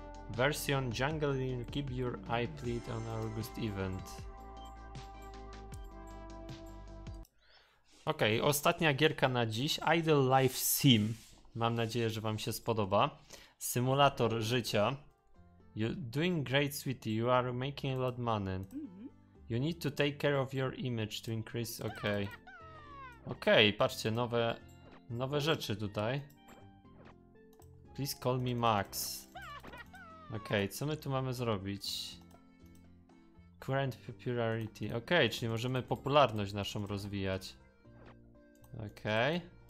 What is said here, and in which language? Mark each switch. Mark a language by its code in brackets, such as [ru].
[pl] Version Jungle in Give Your Eye Plead on August Event. Okej, okay, ostatnia gierka na dziś. Idle Life Sim. Mam nadzieję, że wam się spodoba. Symulator życia. [en] You're doing great, sweetie. You are making a lot of money. You need to take care of your image to increase... Okej. Okay. [pl] Okej, okay, patrzcie, nowe rzeczy tutaj. [en] Please call me Max. [pl] Okej, okay, co my tu mamy zrobić? [en] Current popularity. [pl] Okej, okay, czyli możemy popularność naszą rozwijać. Okej. Okay.